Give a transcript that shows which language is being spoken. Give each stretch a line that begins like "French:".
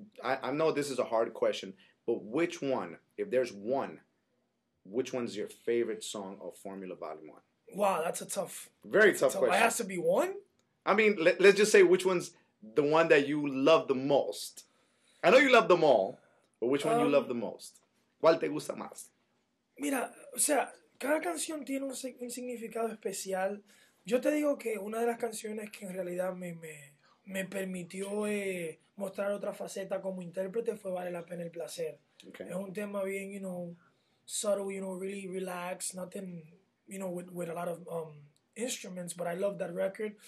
English: I know this is a hard question, but which one, if there's one, which one's your favorite song of Formula Volume 1? Wow, that's a tough. Very tough question. It has to be one? I mean, let's just say which one's the one that you love the most. I know you love them all, but which one you love the most?
Spanish: ¿Cuál te gusta más? Mira, o sea, cada canción tiene un significado especial. Yo te digo que una de las canciones que en realidad me permitió mostrar otra faceta como intérprete fue Vale la Pena el Placer.
English: Okay.
Spanish: Es un tema bien,
English: you know, subtle, you know, really relaxed, nothing, you know, with a lot of instruments, but I love that record.